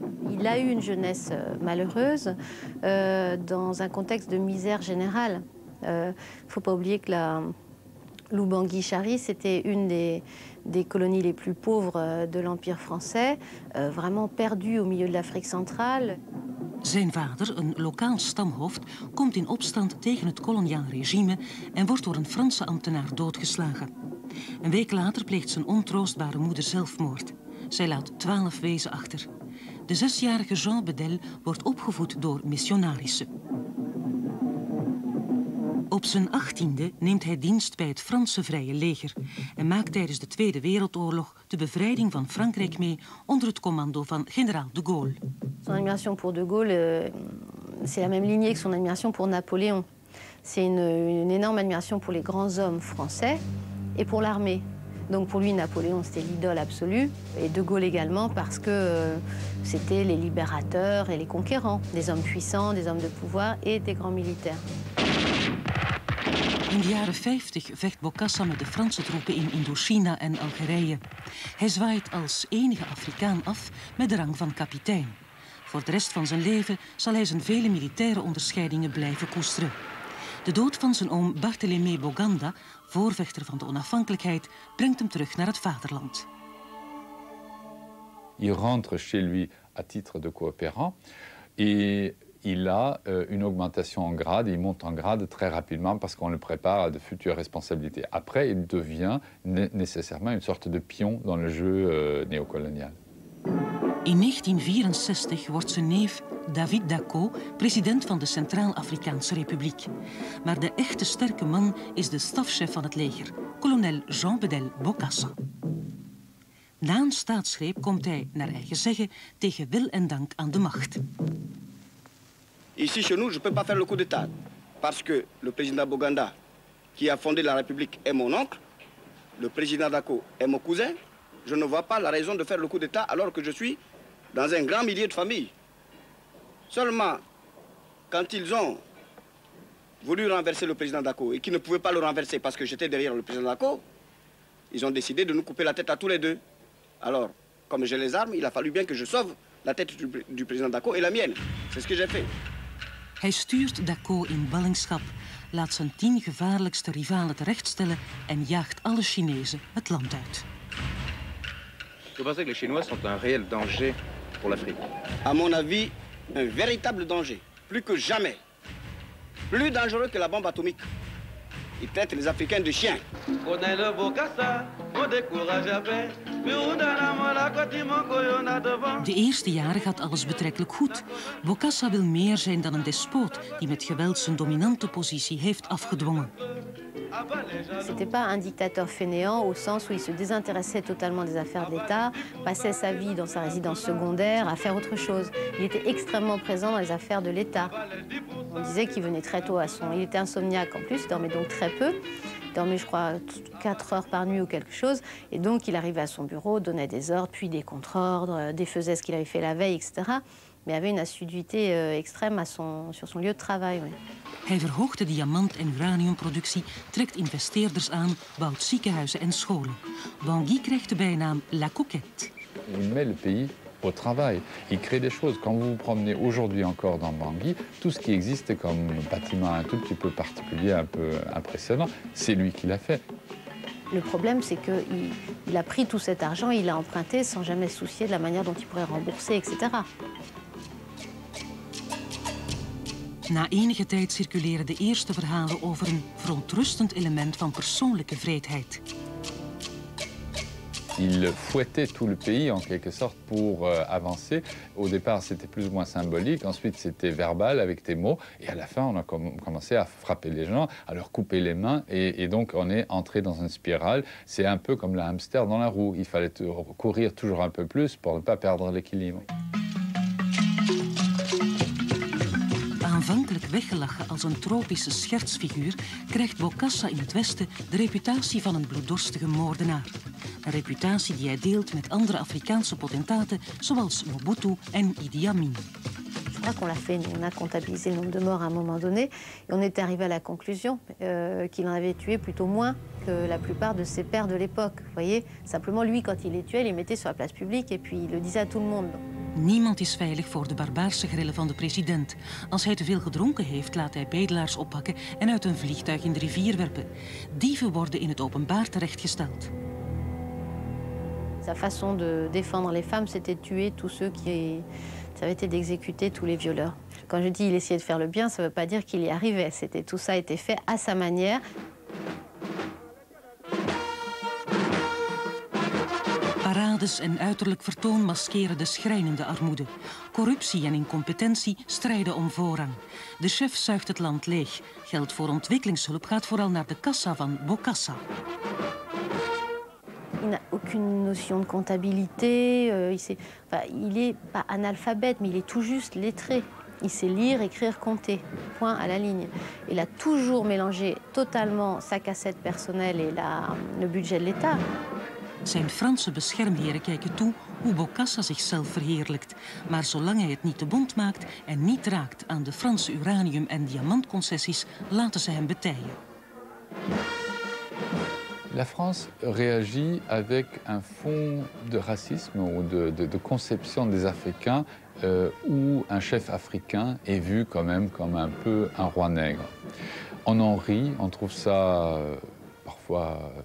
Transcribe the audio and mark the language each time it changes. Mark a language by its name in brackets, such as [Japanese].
[French] Il a eu une jeunesse malheureuse dans un contexte de misère générale. Faut pas oublier que la Ubangé-Chari c'était une des colonies les plus pauvres de l'Empire français, vraiment perdue au milieu de l'Afrique centrale. [Dutch] Zijn vader, een lokaal stamhoofd, komt in opstand tegen het koloniaal regime en wordt door een Franse ambtenaar doodgeslagen. Een week later pleegt zijn ontroostbare moeder zelfmoord. Zij laat 12 wezen achter. De 6-jarige Jean Bedel wordt opgevoed door missionarissen. Op zijn 18e neemt hij dienst bij het Franse Vrije Leger en maakt tijdens de Tweede Wereldoorlog de bevrijding van Frankrijk mee onder het commando van generaal de Gaulle. [French] Son admiration pour de Gaulle, c'est la même lignée que son admiration pour Napoléon. C'est une énorme admiration pour les grands hommes français et pour l'armée. Donc pour lui, Napoléon, c'était l'idole absolue. Et de Gaulle également, parce que c'était les libérateurs et les conquérants. Des hommes puissants, des hommes de pouvoir et des grands militaires. [Dutch] In de jaren 50 vecht Bokassa met de Franse troepen in Indochina en Algerije. Hij zwaait als enige Afrikaan af met de rang van kapitein. Voor de rest van zijn leven zal hij zijn vele militaire onderscheidingen blijven koesteren. De dood van zijn oom Barthélemy Boganda, voorvechter van de onafhankelijkheid, brengt hem terug naar het vaderland. [French] Il rentre chez lui à titre de coopérant et il a une augmentation en grade, il monte en grade très rapidement parce qu'on le prépare à de futures responsabilités. Après, il devient nécessairement une sorte de pion dans le jeu néocolonial. [Dutch] In 1964 wordt zijn neef David Daco president van de Centraal-Afrikaanse Republiek. Maar de echte sterke man is de stafchef van het leger, kolonel Jean Bedel Bokassa. Na een staatsgreep komt hij, naar eigen zeggen, tegen wil en dank aan de macht. [French] Ici chez nous, je peux pas faire le coup d'état parce que le président Boganda qui a fondé la République est mon oncle, le président Daco est mon cousin. Je ne vois pas la raison de faire le coup d'état alors que je suis dans un grand millier de familles. Seulement, quand ils ont voulu renverser le président Daco et qu'ils ne pouvaient pas le renverser parce que j'étais derrière le président Daco, ils ont décidé de nous couper la tête à tous les deux. Alors, comme j'ai les armes, il a fallu bien que je sauve la tête du président Daco et la mienne. C'est ce que j'ai fait. [Dutch] Hij stuurt Daco in ballingschap, laat zijn 10 gevaarlijkste rivalen terechtstellen en jaagt alle Chinezen het land uit. [French] Vous pensez que les Chinois sont un réel danger pour l'Afrique? À mon avis, un véritable danger, plus que jamais. Plus dangereux que la bombe atomique. Ils traitent les Africains de chiens. Colonel Bokassa, vous découragez pas. [Dutch] De eerste jaren gaat alles betrekkelijk goed. Bokassa wil meer zijn dan een despoot die met geweld zijn dominante positie heeft afgedwongen. [French] C'était pas un dictateur fainéant au sens où il se désintéressait totalement des affaires d'État, passait sa vie dans sa résidence secondaire à faire autre chose. Il était extrêmement présent dans les affaires de l'État. On disait qu'il venait très tôt à son. Il était insomniaque en plus, il dormait donc très peu. Il dormait, je crois, 4 heures par nuit ou quelque chose. Et donc, il arrivait à son bureau, donnait des ordres, puis des contre-ordres, défaisait ce qu'il avait fait la veille, etc. Mais il avait une assiduité extrême à son, sur son lieu de travail. Oui. [Dutch] Hij verhoogt de diamant- en uraniumproductie, trekt investeerders aan, bouwt ziekenhuizen en scholen. Bangui krijgt de bijnaam La Coquette. [French] Il met le pays au travail. Il crée des choses. Quand vous vous promenez aujourd'hui encore dans Bangui, tout ce qui existe comme bâtiment un tout petit peu particulier, un peu impressionnant, c'est lui qui l'a fait. Le problème, c'est qu'il a pris tout cet argent, il l'a emprunté sans jamais soucier de la manière dont il pourrait rembourser, etc. [Dutch] Na enige tijd circuleren de eerste verhalen over een verontrustend element van persoonlijke vreedheid. [French] Il fouettait tout le pays en quelque sorte pour avancer. Au départ, c'était plus ou moins symbolique, ensuite c'était verbal avec des mots, et à la fin, on a commencé à frapper les gens, à leur couper les mains, et donc on est entré dans une spirale. C'est un peu comme le hamster dans la roue, il fallait courir toujours un peu plus pour ne pas perdre l'équilibre. [Dutch] Aanvankelijk weggelachen als een tropische schertsfiguur, krijgt Bokassa in het Westen de reputatie van een bloeddorstige moordenaar. Een reputatie die hij deelt met andere Afrikaanse potentaten zoals Mobutu en Idi Amin. [French] Je crois qu'on l'a fait, on a comptabilisé le nombre de morts à un moment donné et on est arrivé à la conclusion qu'il en avait tué plutôt moins que la plupart de ses pairs de l'époque. Vous voyez, simplement lui quand il les tuait, il les mettait sur la place publique et puis il le disait à tout le monde. [Dutch] Niemand is veilig voor de barbaarse grillen van de president. Als hij te veel gedronken heeft, laat hij bedelaars oppakken en uit een vliegtuig in de rivier werpen. Dieven worden in het openbaar terechtgesteld. [French] Sa façon de défendre les femmes, c'était de tuer tous ceux qui... Ça avait été d'exécuter tous les violeurs. Quand je dis qu'il essayait de faire le bien, ça ne veut pas dire qu'il y arrivait. C'était... Tout ça était fait à sa manière. [Dutch] Parades en uiterlijk vertoon maskeren de schrijnende armoede. Corruptie en incompetentie strijden om voorrang. De chef zuigt het land leeg. Geld voor ontwikkelingshulp gaat vooral naar de kassa van Bokassa. [French] Il n'a aucune notion de comptabilité, il est pas analphabète, mais il est tout juste lettré. Il sait lire, écrire, compter, point à la ligne. Il a toujours mélangé totalement sa cassette personnelle et le budget de l'État. [Dutch] Zijn Franse beschermheren kijken toe hoe Bokassa zichzelf verheerlijkt. Maar zolang hij het niet te bond maakt en niet raakt aan de Franse uranium- en diamantconcessies, laten ze hem betijen. [French] La France réagit avec un fond de racisme ou de conception des Africains où un chef africain est vu quand même comme un peu un roi nègre. On en rit, on trouve ça parfois